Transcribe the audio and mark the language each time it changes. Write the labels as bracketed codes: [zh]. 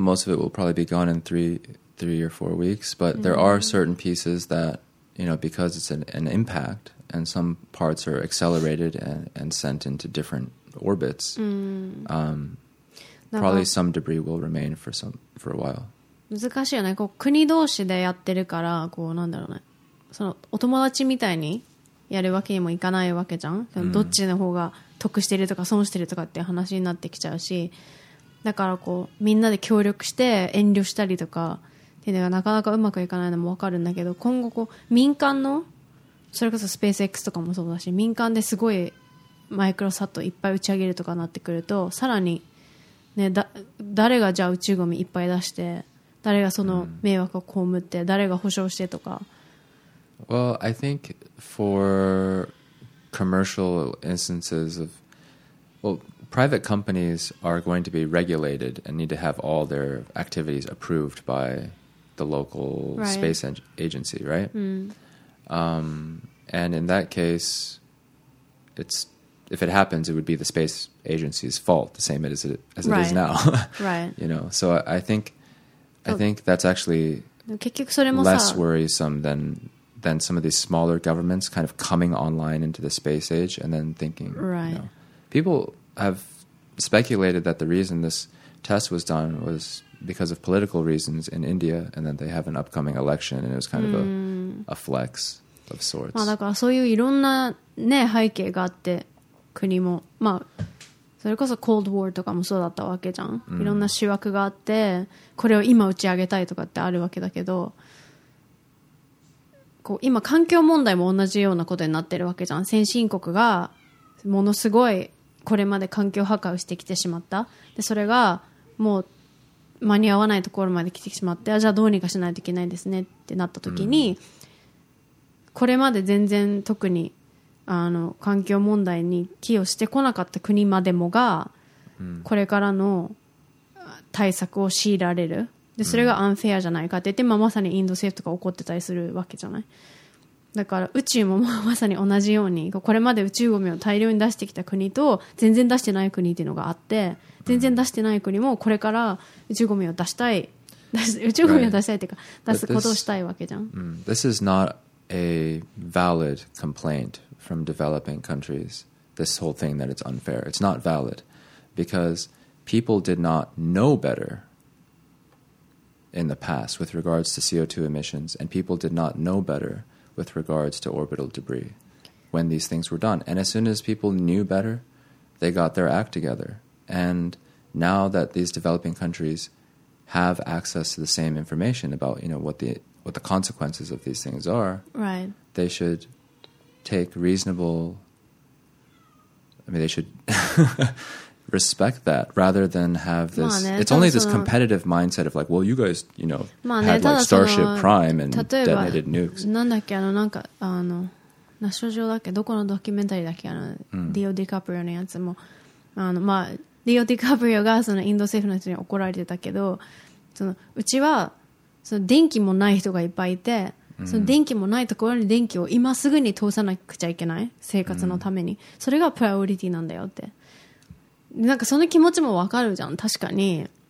[en] Most of it will probably be gone in three or four weeks. But there are certain pieces that, you know, because it's an impact and some parts are accelerated and sent into different orbits, probably some debris will remain for a while. [ja] 難しいよね。こう国同士でやってるから、こうなんだろうね。そのお友達みたいにやるわけにもいかないわけじゃん。どっちの方が得してるとか損してるとかって話になってきちゃうし、だからこうみんなで協力して遠慮したりとかっていうのがなかなかうまくいかないのもわかるんだけど、今後こう民間の、それこそスペース X とかもそうだし、民間ですごいマイクロサットいっぱい打ち上げるとかなってくると、さらに、ね、誰がじゃあ宇宙ゴミいっぱい出して、誰がその迷惑を被って、誰が保証してとか。 [en] Well, I think for commercial instances of, well, private companies are going to be regulated and need to have all their activities approved by the local space agency, right? And in that case, it's, if it happens, it would be the space agency's fault, the same as it is now. Right. You know, so I think that's actually less worrisome than some of these smaller governments kind of coming online into the space age and then thinking, right. You know, people have speculated that the reason this test was done was because of political reasons in India, and then they have an upcoming election, and it was kind of a flex of sorts. [ja] まあだからそういういろんなね背景があって、国もまあそれこそ Cold War とかもそうだったわけじゃん。いろんな思惑があってこれを今打ち上げたいとかってあるわけだけど、こう今環境問題も同じようなことになってるわけじゃん。先進国がものすごいこれまで環境破壊をしてきてしまった。で、それがもう間に合わないところまで来てしまって、あ、じゃあどうにかしないといけないですねってなった時に、これまで全然特にあの環境問題に寄与してこなかった国までもが、これからの対策を強いられる。で、それがアンフェアじゃないかって言って、まあ、まさにインド政府とか怒ってたりするわけじゃない。だから宇宙もまさに同じように、これまで宇宙ゴミを大量に出してきた国と全然出してない国っていうのがあって、全然出してない国もこれから宇宙ゴミを出したい、宇宙ゴミを出したいっていうか、出すことをしたいわけじゃん。 [en] This is not a valid complaint from developing countries, this whole thing that it's unfair. It's not valid because people did not know better in the past with regards to CO2 emissions, and people did not know betterwith regards to orbital debris when these things were done. And as soon as people knew better, they got their act together. And now that these developing countries have access to the same information about, you know, what the consequences of these things are, right, they should take reasonable, I mean, they should respect that rather than have this, [ja] まあね、 [en] it's only this competitive mindset of like, well, you guys, you know, had like Starship Prime and detonated nukes. [ja] なんだっけ、あのなんかあのナショ上だっけ、どこのドキュメンタリーだっけ、あの、ディオ・ディカプリオのやつも、あのまあディオ・ディカプリオがそのインド政府の人に怒られてたけど、そのうちはその電気もない人がいっぱいいて、その電気もないところに電気を今すぐに通さなくちゃいけない、生活のために、それがプライオリティなんだよって、なんかその気持ちもわかるじゃん、確かに、